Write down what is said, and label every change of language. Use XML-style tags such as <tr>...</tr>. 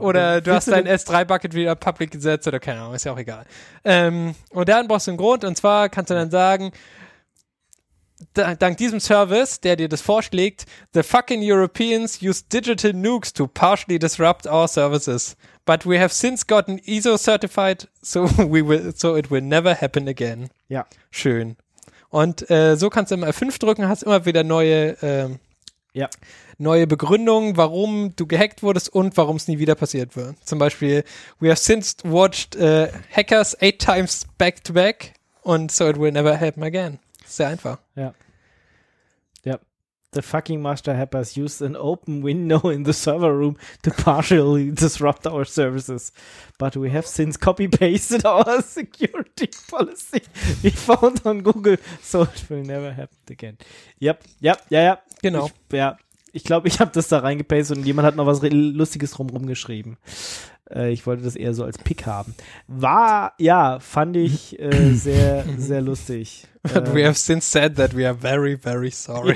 <de>Oder du hast dein S3-Bucket wieder public gesetzt oder keine Ahnung, ist ja auch egal. Und dann brauchst du einen Grund, und zwar kannst du dann sagen, dank diesem Service, der dir das vorschlägt,</de> <en>the fucking Europeans use digital nukes to partially disrupt our services. But we have since gotten ISO certified, so it will never happen again.</en> <de>Ja. Schön. Und so kannst du immer F5 drücken, hast immer wieder neue Begründungen, warum du gehackt wurdest und warum es nie wieder passiert wird. Zum Beispiel,</de> <en>we have since watched hackers 8 times back to back</en> <de>und so</de> <en>it will never happen again.</en> <de>Sehr einfach. Ja. Ja.</de> <en>The fucking master hackers used an open window in the server room to partially disrupt our services. But we have since copy-pasted our security policy we found on Google, so it will never happen again.</en> <de>Yep. Yep. Ja, ja. Genau. Ich glaube, ich habe das da reingepastet und jemand hat noch was Lustiges rumrum geschrieben. Ich wollte das eher so als Pick haben. Fand ich sehr, sehr lustig.</de> <en>But we have since said that we are very, very sorry.</en>